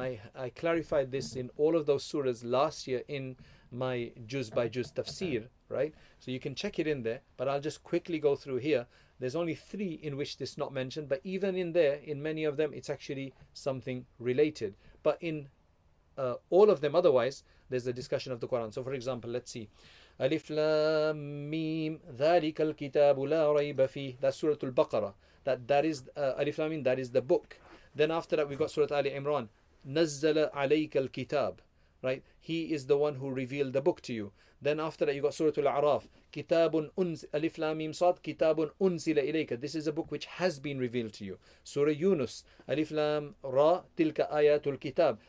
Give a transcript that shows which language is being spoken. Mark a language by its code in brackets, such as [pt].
[en] And I clarified this in all of those surahs last year in my juz by juz tafsir, right? So you can check it in there, but I'll just quickly go through here. There's only three in which this not mentioned, but even in there, in many of them, it's actually something related. But in all of them otherwise, there's a discussion of the Quran. So for example, let's see. [ar] Alif Lam Mim, ذَلِكَ الْكِتَابُ لَا رَيْبَ فِيهِ. [en] That's Surah Al-Baqarah. That is, Alif Lam Mim, that is the book. Then after that, we've got Surah Ali Imran. [ar] نَزَّلَ عَلَيْكَ الْكِتَابُ. [en] Right, he is the one who revealed the book to you. Then after that, you got Surah Al-Araf, [ar] Kitabun Alif Lam Mim Sad, Kitabun Unzila Ilayka. [en] This is a book which has been revealed to you. Surah Yunus, [ar] Alif Lam Ra, Tilka Ayatul Kitab.